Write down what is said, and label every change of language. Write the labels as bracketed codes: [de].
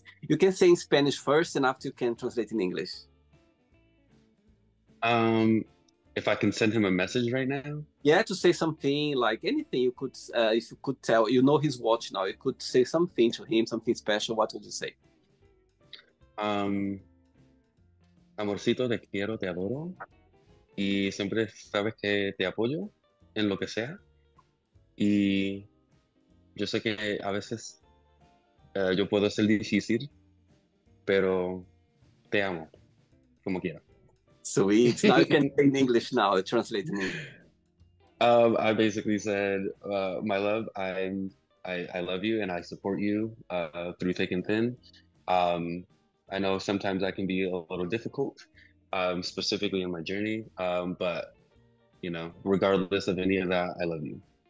[en] You can say in Spanish first and after you can translate in English. If I can send him a message right now? Yeah, to say something, like anything you could, if you could tell, you know he's watching now, you could say something to him, something special, what would you say? [es] Amorcito, te quiero, te adoro, y siempre sabes que te apoyo en lo que sea, y yo sé que a veces yo puedo ser difícil, pero te amo, como quiera. [en] Sweet. Now you can say in English now, translate in English. I basically said, my love, I love you and I support you through thick and thin. I know sometimes I can be a little difficult, specifically in my journey, but, you know, regardless of any of that, I love you.